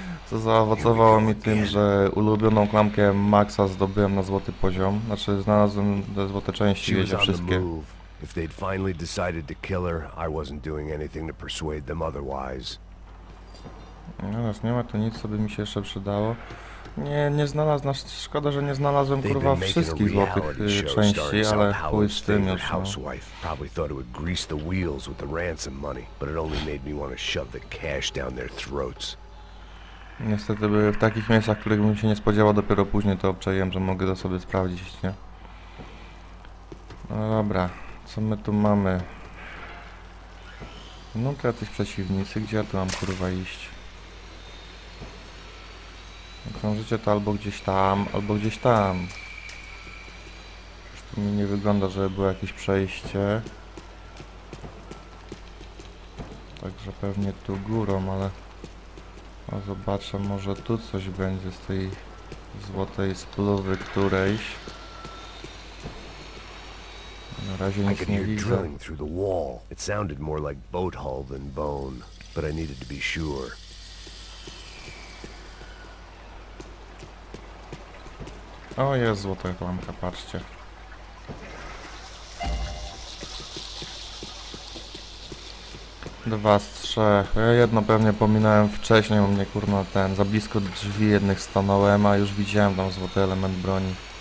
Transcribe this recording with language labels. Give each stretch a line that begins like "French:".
Polish: Co zaowocowało mi tym, że ulubioną klamkę Maxa zdobyłem na złoty poziom. Znaczy, znalazłem te złote części, wiecie, wszystkie.
English: If they'd finally decided to kill her, I wasn't doing anything to persuade them otherwise.
Polish: No raz nie ma to nic, co by mi się jeszcze przydało. Nie znalazłem, szkoda, że nie znalazłem, kurwa, wszystkich złotych części, ale chuj z tym już, no.
English: Probably thought it would grease the wheels with the ransom money, but it only made me want to shove the cash down their throats.
Polish: Niestety były w takich miejscach, których bym się nie spodziewał, dopiero później to obczaiłem, że mogę to sobie sprawdzić, nie? No dobra, co my tu mamy? No to jacyś przeciwnicy, gdzie ja tu mam, kurwa, iść? Krążycie to albo gdzieś tam, albo gdzieś tam. Już tu mi nie wygląda, żeby było jakieś przejście. Także pewnie tu górą, ale... O, zobaczę, może tu coś będzie z tej złotej spluwy którejś. Na razie nic nie widzę.
English: Through the wall. It sounded more like boat hull than bone, but I needed to be sure.
Polish: O, jest złota klamka, patrzcie. Dwa z trzech. Ja jedno pewnie pominąłem wcześniej, bo mnie kurno ten za blisko drzwi jednych stanąłem, a już widziałem tam złoty element broni.